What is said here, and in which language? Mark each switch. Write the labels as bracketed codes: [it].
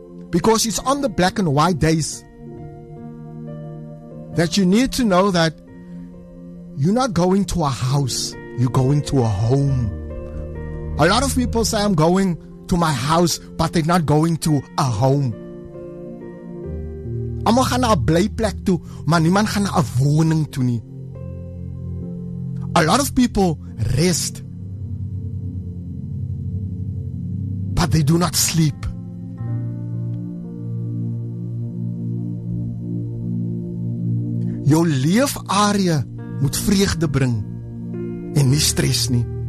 [en] Because it's on the black and white days that you need to know that you're not going to a house, you're going to a home. A lot of people say, I'm going to my house, but they're not going to a home. [af] Almal gaan na 'n blyplek toe, maar niemand gaan na 'n woning toe nie. [en] A lot of people rest, but they do not sleep. [af] Jou leefarea moet vreugde bring en nie stres nie.